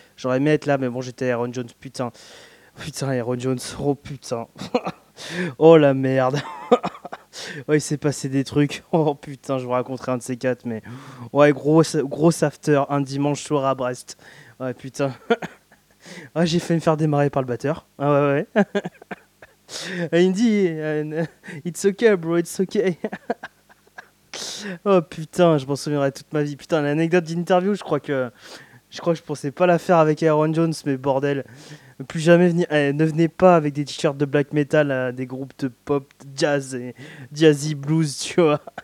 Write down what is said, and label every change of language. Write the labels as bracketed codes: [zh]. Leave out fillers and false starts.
[fr] J'aurais aimé être là, mais bon, j'étais Aaron Jones, putain. Putain, Aaron Jones, oh putain. Oh la merde. Ouais, il s'est passé des trucs. Oh putain, je vous raconterai un de ces quatre, mais... Ouais, gros after, un dimanche soir à Brest. Ouais, putain. Ah, j'ai failli me faire démarrer par le batteur. Ah ouais, ouais. Et il me dit, [en] it's okay, bro, it's okay. [fr] Oh putain, je m'en souviendrai toute ma vie. Putain, l'anecdote d'interview, je crois que je pensais pas la faire avec Aaron Jones, mais bordel. Plus jamais venir. Ne venez pas avec des t-shirts de black metal à des groupes de pop, de jazz et jazzy blues, tu vois.